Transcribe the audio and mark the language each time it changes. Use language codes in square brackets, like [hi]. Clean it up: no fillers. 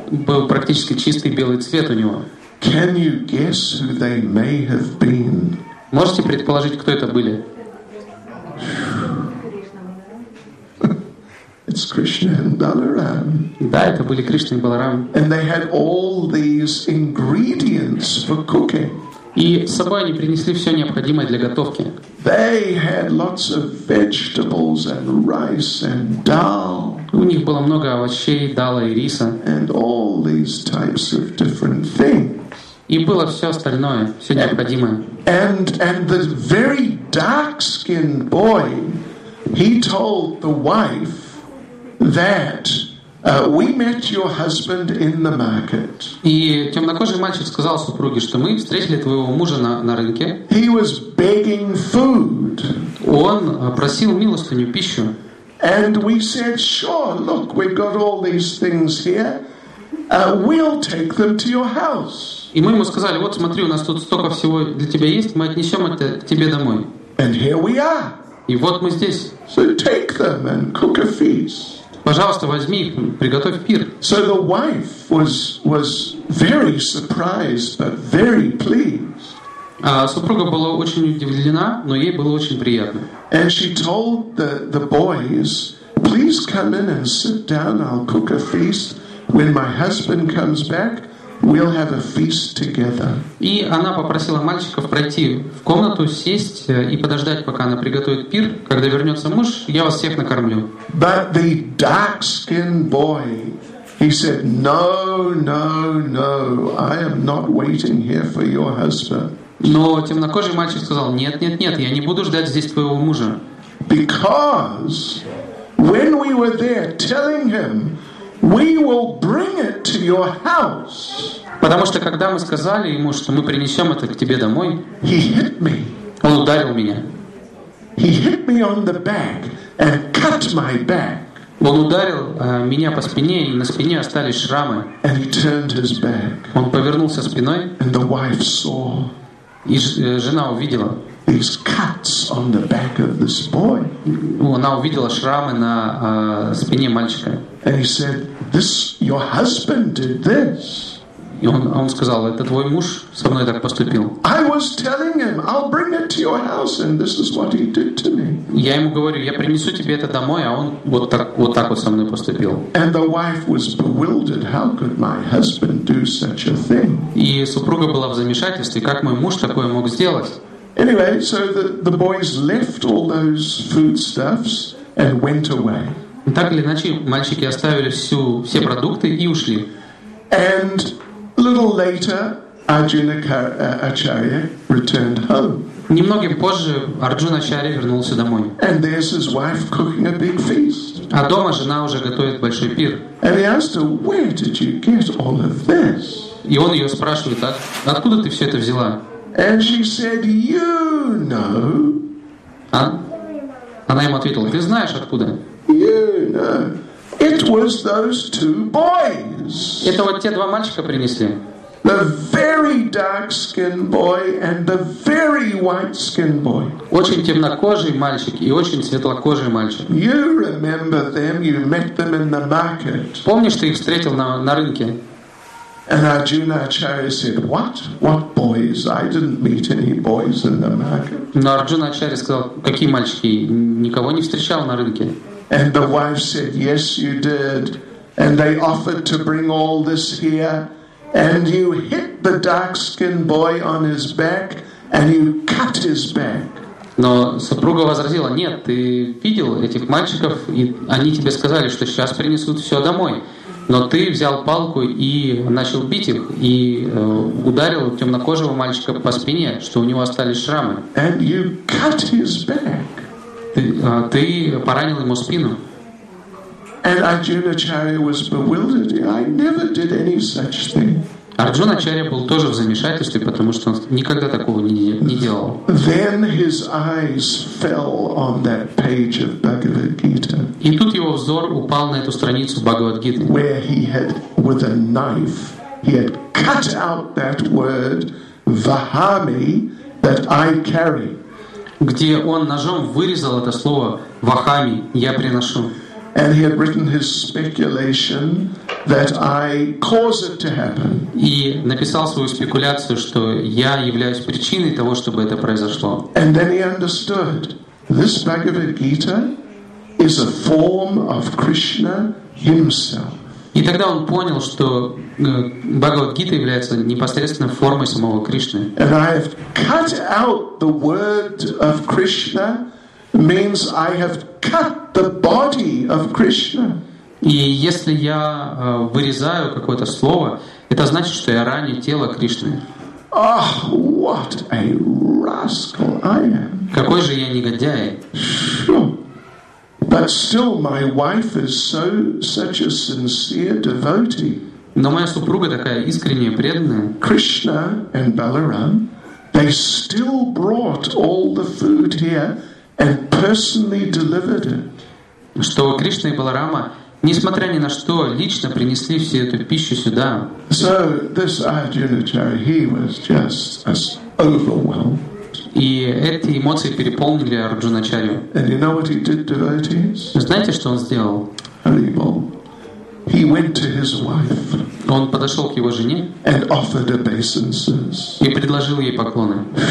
[ru] Был практически чистый белый цвет у него. [en] Can you guess who they may have been? [ru] Можете предположить, кто это были? [en] It's Krishna and Balaram. [ru] Да, это были Кришна и Баларам. [en] And they had all these ingredients for cooking. [ru] И с собой они принесли все необходимое для готовки. [en] They had lots of vegetables and rice and dal. [ru] У них было много овощей, дала и риса. [en] And all these types of different things. [ru] И было все остальное, все необходимое. [en] And the very dark-skinned boy, he told the wife that we met your husband in the market. [ru] И темнокожий мальчик сказал супруге, что мы встретили твоего мужа на рынке. [en] He was begging food. [ru] Он просил милостыню, пищу. [en] And we said, sure, look, we've got all these things here. We'll take them to your house. [ru] И мы ему сказали: вот смотри, у нас тут столько всего для тебя есть, мы отнесем это к тебе домой. [en] And here we are. [ru] И вот мы здесь. [en] So take them and cook a feast. [ru] Пожалуйста, возьми их, приготовь пир. [en] So the wife was very surprised, but very pleased. [ru] Супруга была очень удивлена, но ей было очень приятно. [en] And she told the boys, please come in and sit down. I'll cook a feast. When my husband comes back, we'll have a feast together. [ru] И она попросила мальчиков пройти в комнату, сесть и подождать, пока она приготовит пир. Когда вернется муж, я вас всех накормлю. [en] But the dark-skinned boy, he said, no, no, no, I am not waiting here for your husband. [ru] Но темнокожий мальчик сказал, нет, нет, нет, я не буду ждать здесь твоего мужа. [en] Because when we were there telling him, we will bring it to your house. [ru] Потому что когда мы сказали ему, что мы принесем это к тебе домой, [en] he hit me. [ru] Он ударил меня. [en] He hit me on the back and cut my back. [ru] Он ударил меня по спине, и на спине остались шрамы. [en] And he turned his back. [ru] Он повернулся спиной. [en] And the wife saw. [ru] И жена увидела. [en] These cuts on the back of this boy. [ru] Она увидела шрамы на спине мальчика. [en] And he said, "This your husband did this." [ru] И он сказал, это твой муж со мной так поступил. [en] I was telling him, "I'll bring it to your house," and this is what he did to me. [ru] Я ему говорю, я принесу тебе это домой, а он вот так вот со мной поступил. [en] And the wife was bewildered. How could my husband do such a thing? [ru] И супруга была в замешательстве, как мой муж такое мог сделать? [en] Anyway, so the boys left all those foodstuffs and went away. [ru] Так или иначе, мальчики оставили все продукты и ушли. [en] And a little later, Arjuna Acharya returned home. [ru] Немного позже Арджуна Ачарья вернулся домой. [en] And there's his wife cooking a big feast. [ru] А дома жена уже готовит большой пир. [en] And he asked her, "Where did you get all of this?" [ru] И он ее спрашивает, откуда ты все это взяла? [en] And she said, "You know." [ru] Она ему ответила, ты знаешь откуда? [en] You know. It was those two boys. [ru] Это вот те два мальчика принесли. [en] The very dark-skinned boy and the very white-skinned boy. [ru] Очень темнокожий мальчик и очень светлокожий мальчик. [en] You remember them? You met them in the market. [ru] Помнишь, ты их встретил на рынке? [en] And Arjuna Acharya said, "What? What boys? I didn't meet any boys in the market." [ru] Но Арджуна Ачарья сказал, какие мальчики? Никого не встречал на рынке. [en] And the wife said, "Yes, you did." And they offered to bring all this here, and you hit the dark-skinned boy on his back, and you cut his back. [ru] Но супруга возразила, "Нет, ты видел этих мальчиков, и они тебе сказали, что сейчас принесут все домой." Но ты взял палку и начал бить их, и ударил темнокожего мальчика по спине, что у него остались шрамы. [en] And you cut his back. [ru] Ты поранил ему спину. [en] And Arjuna Acharya was bewildered. I never did any such thing. [ru] Арджуна Ачарья был тоже в замешательстве, потому что он никогда такого не делал. [en] Then his eyes fell on that page of Bhagavad Gita. [ru] И тут его взор упал на эту страницу Бхагавад Гиты. [en] Where he had, with a knife, he had cut out that word "Vahami" that I carry. [ru] Где он ножом вырезал это слово "Вахами" я приношу. [en] And he had written his speculation that I cause it to happen. [ru] И написал свою спекуляцию, что я являюсь причиной того, чтобы это произошло. [en] And then he understood this Bhagavad Gita is a form of Krishna himself. [ru] И тогда он понял, что Бхагавад-гита является непосредственно формой самого Кришны. [en] And I have cut out the word of Krishna means I have cut the body of Krishna. [ru] И если я вырезаю какое-то слово, это значит, что я раню тело Кришны. [en] Oh, what a rascal I am. [ru] Какой же я негодяй. [en] But still my wife is so such a sincere devotee. [ru] Но моя супруга такая искренняя, преданная. [en] Krishna and Balaram, they still brought all the food here and personally delivered it. [ru] Что Кришна и Баларама, несмотря ни на что, лично принесли всю эту пищу сюда. [en] So this Arjunacharya, he was just as overwhelmed. [ru] И эти эмоции переполнили Арджуначарью. [en] And you know what he did, devotees? [ru] Знаете, что он сделал? [en] He went to his wife. [ru] Он подошел к его жене. [en] And offered obeisances. [ru] И предложил ей поклоны.